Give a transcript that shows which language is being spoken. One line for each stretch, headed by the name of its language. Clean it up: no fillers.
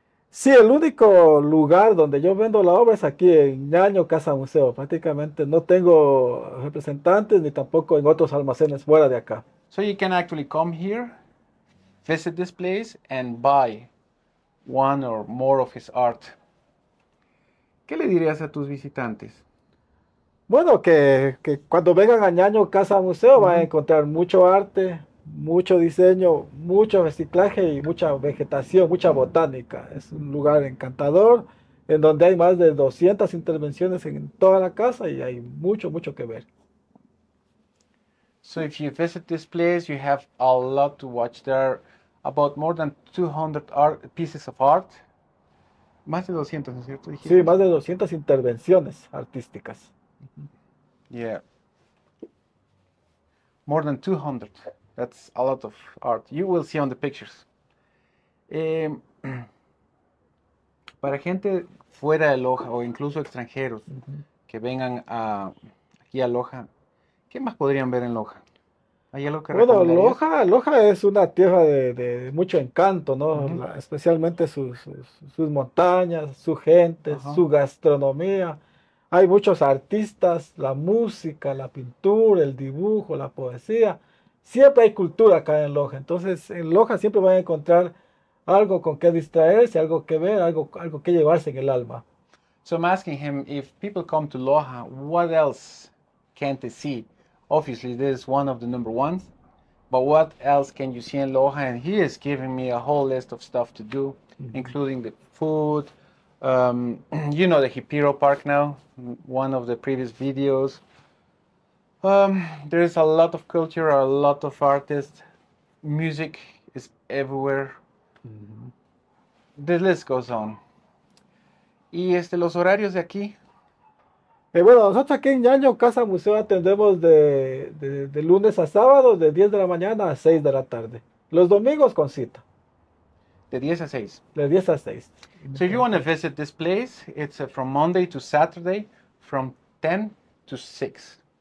Spanish: Sí, el único lugar donde yo vendo la obra es aquí en ñaño, Casa Museo. Prácticamente no tengo representantes ni tampoco en otros almacenes fuera de acá.
English: So you can actually come here, visit this place, and buy one or more of his art.
Spanish: ¿Qué le dirías a tus visitantes? Bueno, que cuando vengan a ñaño, Casa Museo, van a encontrar mucho arte, mucho diseño, mucho reciclaje y mucha vegetación, mucha botánica. Es un lugar encantador en donde hay más de 200 intervenciones en toda la casa y hay mucho, mucho que ver.
English: So if you visit this place, you have a lot to watch. There are about more than 200 art pieces of art.
Spanish: Más de 200, ¿no es cierto? Sí, Dijiste. más de 200 intervenciones artísticas.
English: More than 200. That's a lot of art. You will see on the pictures.
Spanish: Para gente fuera de Loja o incluso extranjeros que vengan aquí a Loja, ¿qué más podrían ver en Loja? ¿Hay algo que Bueno, recomendarías? Loja es una tierra de mucho encanto, ¿no? Especialmente sus montañas, su gente, su gastronomía. Hay muchos artistas, la música, la pintura, el dibujo, la poesía. Siempre hay cultura acá en Loja. Entonces, en Loja siempre van a encontrar algo con qué distraerse, algo que ver, algo que llevarse en el alma.
English: So I'm asking him if people come to Loja, what else can they see? Obviously, this is one of the number ones, but what else can you see in Loja? And he is giving me a whole list of stuff to do, including the food. You know the Hippiro Park now, one of the previous videos. There is a lot of culture, a lot of artists, music is everywhere. The list goes on.
Spanish: Y los horarios de aquí. Bueno, nosotros aquí en ñaño Casa Museo atendemos de lunes a sábado de 10 de la mañana a 6 de la tarde. Los domingos con cita. De 10 a 6. De 10 a 6.
English: So, if you want to visit this place, it's from Monday to Saturday from 10 to 6.